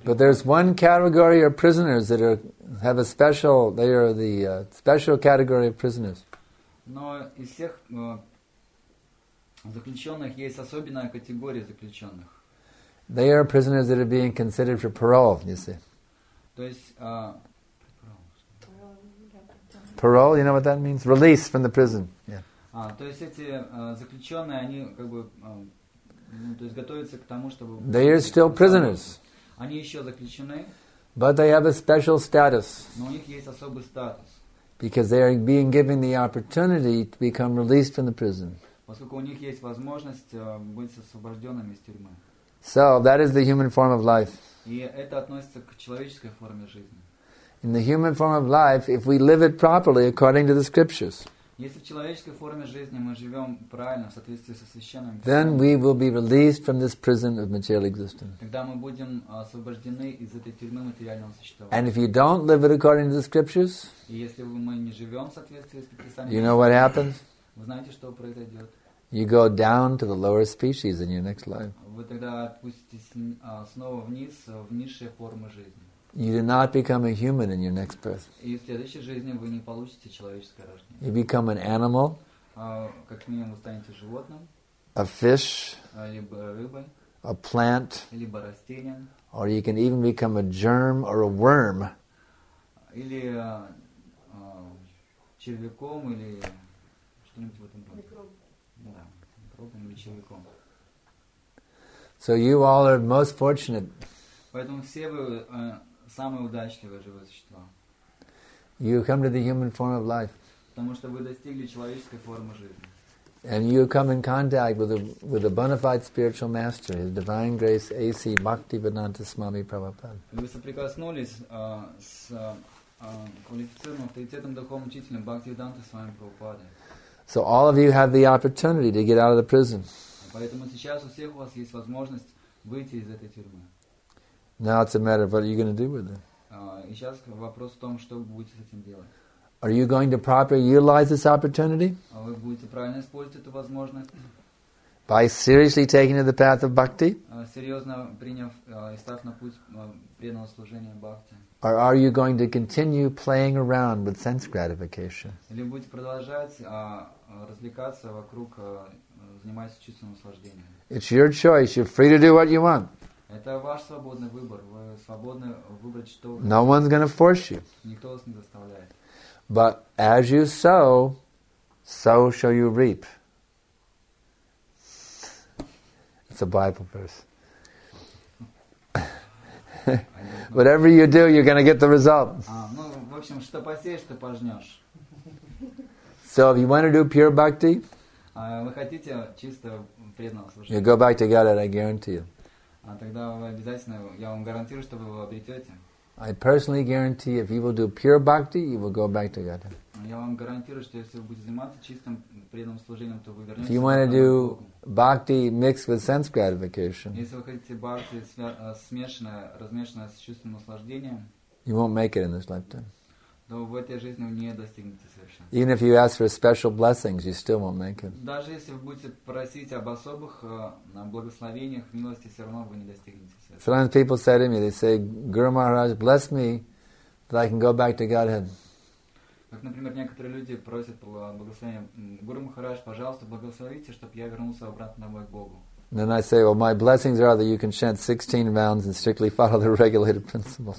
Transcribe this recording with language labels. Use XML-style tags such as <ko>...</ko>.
<en>But there's one category of prisoners that are have a special. They are the special category of prisoners.</en> <ru>Но из всех заключенных есть особенная категория заключенных.</ru> <en>They are prisoners that are being considered for parole. You see.</en> <ru>То есть.</ru> <en>Parole, you know what that means? Release from the prison. Yeah.</en> <ru>То есть эти заключенные, они как бы, то есть готовятся к тому, чтобы.</ru> <en>They are still prisoners.</en> <ru>Они еще заключены.</ru> <en>But they have a special status.</en> <ru>Но у них есть особый статус.</ru> <en>Because they are being given the opportunity to become released from the prison.</en> <ru>Поскольку у них есть возможность быть освобожденными из тюрьмы.</ru> <en>So that is the human form of life.</en> <ru>И это относится к человеческой форме жизни.</ru> <en>In the human form of life, if we live it properly according to the scriptures,</en> <ru>если в человеческой форме жизни мы живем правильно в соответствии со священным,</ru> <en>then we will be released from this prison of material existence.</en> <ru>Тогда мы будем освобождены из этой тюрьмы материального существования.</ru> <en>And if you don't live it according to the scriptures,</en> <ru>и если мы не живем в соответствии с писаниями,</ru> <en>you know what happens?</en> <ru>Вы знаете, что произойдет?</ru> <en>You go down to the lower species in your next life.</en> <ru>Вы тогда опуститесь снова вниз в низшие формы жизни.</ru> <en>You do not become a human in your next birth.</en> <ru>И в следующей жизни вы не получите человеческое рождение.</ru> <en>You become an animal.</en> <ru>Как минимум, вы станете животным.</ru> <en>A fish.</en> <ru>Либо рыбой.</ru> <en>A plant.</en> <ru>Либо растением.</ru> <en>Or you can even become a germ or a worm.</en> <ru>Или червяком или что-нибудь в этом роде. Микробом. Да, или червяком.</ru> <en>So you all are most fortunate.</en> <ru>Поэтому все вы самое удачливое живое существо.</ru> <en>You come to the human form of life.</en> <ru>Потому что вы достигли человеческой формы жизни.</ru> <en>And you come in contact with a bona fide spiritual master, His Divine Grace A.C. Bhaktivedanta Swami Prabhupada.</en> <ru>Вы соприкоснулись с квалифицированным авторитетом духовным учителем Бхактивиданта Свами Прабхупады.</ru> <en>So all of you have the opportunity to get out of the prison.</en> <ru>Поэтому сейчас у всех у вас есть возможность выйти из этой тюрьмы.</ru> <en>Now it's a matter of what are you going to do with it?</en> <ru>И сейчас вопрос в том, что вы будете с этим делать.</ru> <en>Are you going to properly utilize this opportunity?</en> <ru>Вы будете правильно использовать эту возможность?</ru> <en>By seriously taking the path of bhakti?</en> <ru>Серьезно приняв и став на путь преданного служения бхакти.</ru> <en>Or are you going to continue playing around with sense gratification?</en> <ru>Или будете продолжать развлекаться вокруг, занимаясь чувственным наслаждением?</ru> <en>It's your choice. You're free to do what you want.</en> <ru>Это ваш свободный выбор. Вы свободны выбрать что.</ru> <en>No one's going to force you.</en> <ru>Никто вас не заставляет.</ru> <en>But as you sow, so shall you reap. It's a Bible verse. Whatever you do, you're going to get the result.</en> <ru>Ну, в общем, что посеешь, то пожнешь.</ru> <en>So if you want to do pure bhakti,</en> <ru>вы хотите чисто преданного служения,</ru> <en>you go back to Godhead, I guarantee you.</en> <ru>Тогда вы обязательно, я вам гарантирую, что вы его обретете.</ru> <en>I personally guarantee, if you will do pure bhakti, you will go back to Godhead.</en> <ru>Я вам гарантирую, что если вы будете заниматься чистым преданным служением, то вы вернетесь.</ru> <en>If you want to do bhakti mixed with sense gratification,</en> <ru>если вы хотите бхакти смешанное, размешанное с чувственным наслаждением,</ru> <en>you won't make it in this lifetime.</en> <ru>Но в этой жизни вы не достигнете совершенства.</ru> <en>Even if you ask for special blessings, you still won't make it.</en> <ru>Даже если вы будете просить об особых благословениях, милости, все равно вы не достигнете совершенства.</ru> <en>Sometimes people say to me, they say, Guru Maharaj, bless me, that I can go back to Godhead.</en> <ru>Как, например, некоторые люди просят благословения, Гуру Махарадж, пожалуйста, благословите, чтобы я вернулся обратно домой к Богу.</ru> <en>Then I say, well, my blessings are that you can chant 16 rounds and strictly follow the regulated principles.</en>